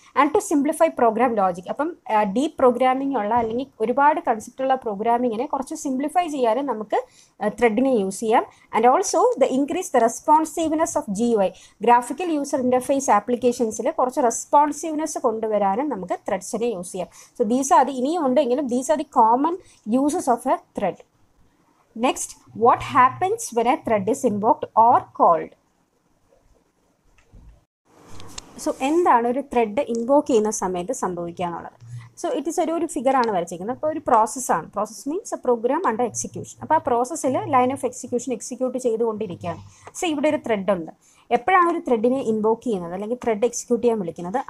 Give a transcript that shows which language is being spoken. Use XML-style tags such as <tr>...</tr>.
<en>And to simplify program logic.</en> <ml>അപ്പം deep programming ഉള്ള അല്ലെങ്കിൽ ഒരുപാട് കൺസെപ്റ്റ് ഉള്ള പ്രോഗ്രാമിങ്ങിനെ കുറച്ച് സിംപ്ലിഫൈ ചെയ്യാനും നമുക്ക് ത്രെഡിനെ യൂസ് ചെയ്യാം.</ml> <en>And also the increase the responsiveness of G Y.</en> <ml>Graphical user interface ആപ്ലിക്കേഷൻസിൽ കുറച്ച് റെസ്പോൺസീവ്നെസ് കൊണ്ടുവരാനും നമുക്ക് ത്രെഡ്സിനെ യൂസ് ചെയ്യാം.</ml> <en>so these are the</en> <ml>ഇനിയും ഉണ്ടെങ്കിലും</ml> <en>These are the common uses of a thread. Next, what happens when a thread is invoked or called?</en> <ml>So, എന്താണ് ഒരു thread invoke ചെയ്യുന്ന സമയത്ത് സംഭവിക്കുക എന്നുള്ളത്? സോ ഇറ്റ് ഈസ് ഒരു ഫിഗർ ആണ് വരച്ചിരിക്കുന്നത്. അപ്പോൾ ഒരു പ്രോസസ്സാണ്.</ml> <en>Process means a program under execution.</en> <ml>അപ്പോൾ ആ പ്രോസസ്സിൽ ലൈൻ ഓഫ് എക്സിക്യൂഷൻ എക്സിക്യൂട്ട് ചെയ്തുകൊണ്ടിരിക്കുകയാണ്. സോ ഇവിടെ ഒരു ത്രെഡ് ഉണ്ട്. എപ്പോഴാണ് ഒരു ത്രെഡിനെ ഇൻവോക്ക് ചെയ്യുന്നത് അല്ലെങ്കിൽ ത്രെഡ് എക്സിക്യൂട്ട് ചെയ്യാൻ വിളിക്കുന്നത്?</ml>